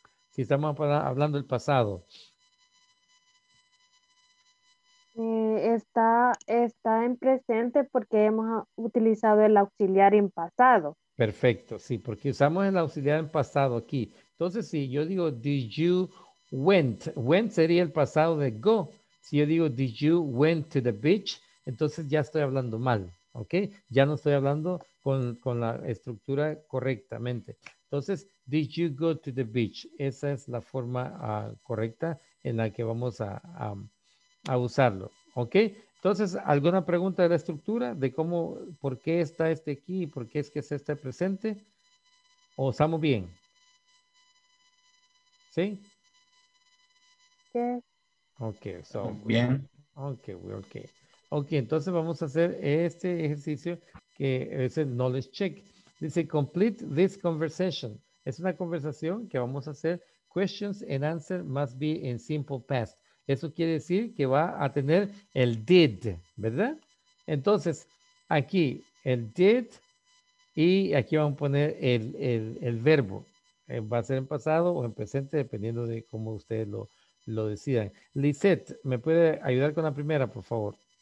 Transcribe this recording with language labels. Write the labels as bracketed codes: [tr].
[es] Si estamos hablando del pasado. Está en presente porque hemos utilizado el auxiliar en pasado. Perfecto, sí, porque usamos el auxiliar en pasado aquí. Entonces, si yo digo, [en] did you went? [es] Went sería el pasado de go. Si yo digo, [en] did you went to the beach? [es] Entonces ya estoy hablando mal. ¿Ok? Ya no estoy hablando con la estructura correctamente. Entonces, [en] did you go to the beach? [es] Esa es la forma correcta en la que vamos a usarlo. ¿Ok? Entonces, ¿alguna pregunta de la estructura? ¿De cómo, por qué está este aquí? ¿Por qué es que se está presente? ¿O estamos bien? ¿Sí? Sí. [en] Ok, so. [es] Bien. Ok. Ok, entonces vamos a hacer este ejercicio que es el knowledge check. Dice, [en] complete this conversation. [es] Es una conversación que vamos a hacer. [en] Questions and answers must be in simple past. [es] Eso quiere decir que va a tener el did, ¿verdad? Entonces, aquí el did y aquí vamos a poner el verbo. Va a ser en pasado o en presente, dependiendo de cómo ustedes lo decidan. Lisette, ¿me puede ayudar con la primera, por favor?